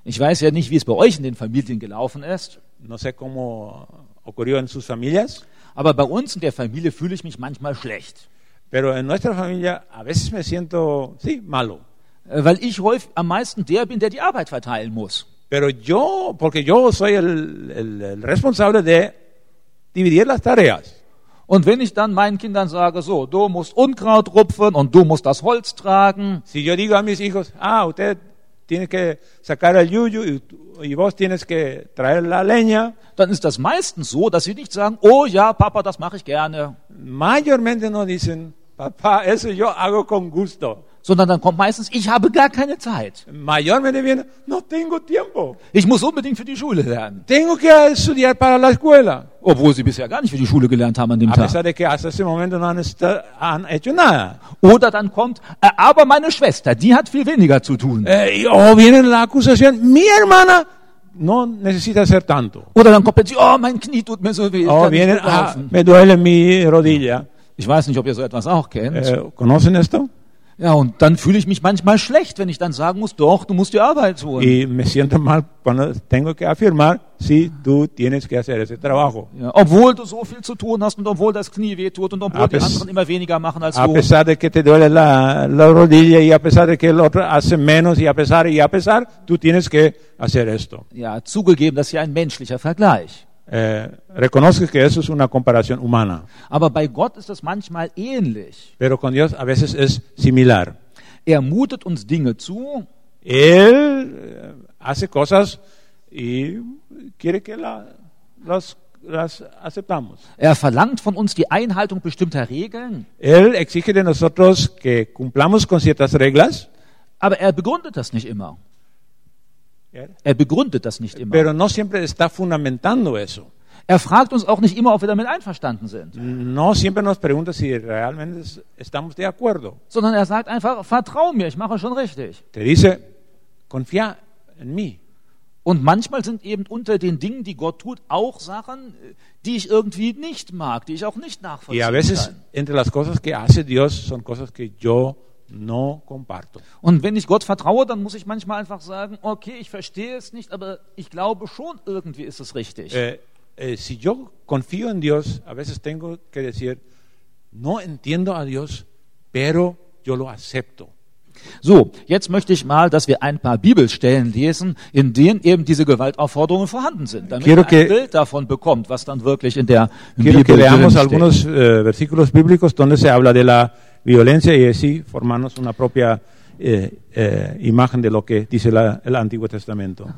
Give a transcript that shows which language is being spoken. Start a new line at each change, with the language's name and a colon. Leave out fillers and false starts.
German: Ich weiß ja nicht, wie es bei euch in den Familien gelaufen ist.
Spanish: No sé cómo ocurrió en sus familias.
German: Aber bei uns in der Familie fühle ich mich manchmal schlecht.
Spanish: Pero en nuestra familia a veces me siento, sí, malo.
German: Weil ich häufig am meisten der bin, der die Arbeit verteilen muss.
Spanish: Pero yo, porque yo soy el responsable de dividir las tareas.
German: Und wenn ich dann meinen Kindern sage, so, du musst Unkraut rupfen und du musst das Holz tragen.
Spanish: Si yo digo a mis hijos, ah, usted tiene que sacar el yuyu y vos tienes que traer la leña.
German: Dann ist das meistens so, dass sie nicht sagen, oh ja, Papa, das mache ich gerne.
Spanish: Mayormente no dicen, Papa, eso yo hago con gusto.
German: Sondern dann kommt meistens, ich habe gar keine Zeit.
Spanish: Mayormente viene, no tengo tiempo.
German: Ich muss unbedingt für die Schule lernen.
Spanish: Tengo que estudiar para la escuela.
German: Obwohl sie bisher gar nicht für die Schule gelernt haben an dem Tag.
Spanish: A pesar de que hasta ese momento no han hecho nada.
German: Oder dann kommt, aber meine Schwester, die hat viel weniger zu tun.
Spanish: O viene la acusación, mi hermana no necesita hacer tanto.
German: Oder dann kommt, oh, mein Knie tut mir so weh.
Spanish: O viene, me duele mi rodilla.
German: Ich weiß nicht, ob ihr so etwas auch kennt.
Spanish: Conocen esto?
German: Ja, und dann fühle ich mich manchmal schlecht, wenn ich dann sagen muss, doch, du musst die Arbeit tun.
Spanish: Y me siento mal cuando tengo que afirmar, sí, tú tienes que hacer ese trabajo.
German: Ja, obwohl du so viel zu tun hast und obwohl das Knie wehtut und obwohl die anderen immer weniger machen als du.
Spanish: A pesar de que te duele la rodilla y a pesar de que el otro hace menos y a pesar, tú tienes que hacer esto.
German: Ja, zugegeben, das ist ja ein menschlicher Vergleich.
Spanish: Reconozco que eso es una comparación humana.
German: Aber bei Gott ist das manchmal ähnlich.
Spanish: Pero con Dios a veces es similar.
German: Er mutet uns Dinge zu.
Spanish: Él hace cosas y quiere que las aceptamos.
German: Er verlangt von uns die Einhaltung bestimmter Regeln.
Spanish: Él exige de nosotros que cumplamos con ciertas reglas.
German: Aber er begründet das nicht immer. Er begründet das nicht immer.
Spanish: Pero no siempre está fundamentando eso.
German: Er fragt uns auch nicht immer, ob wir damit einverstanden sind.
Spanish: No siempre nos pregunta si realmente estamos de acuerdo.
German: Sondern er sagt einfach, vertrau mir, ich mache schon richtig.
Spanish: Te dice, confía en mí.
German: Und manchmal sind eben unter den Dingen, die Gott tut, auch Sachen, die ich irgendwie nicht mag, die ich auch nicht nachvollziehen kann.
Spanish: Y a veces, entre las cosas que hace Dios, son cosas que yo no comparto.
German: Und wenn ich Gott vertraue, dann muss ich manchmal einfach sagen, okay, ich verstehe es nicht, aber ich glaube schon, irgendwie ist es richtig.
Spanish: Si yo confío en Dios, a veces tengo que decir, No entiendo a Dios, pero yo lo acepto.
German: So, jetzt möchte ich mal, dass wir ein paar Bibelstellen lesen, in denen eben diese Gewaltaufforderungen vorhanden sind, damit ihr ein Bild davon bekommt, was dann wirklich in der Bibel drin steht.
Spanish: Leamos algunos versículos bíblicos donde se habla de la violencia y así formarnos una propia Imagen de lo que dice el Antiguo Testamento.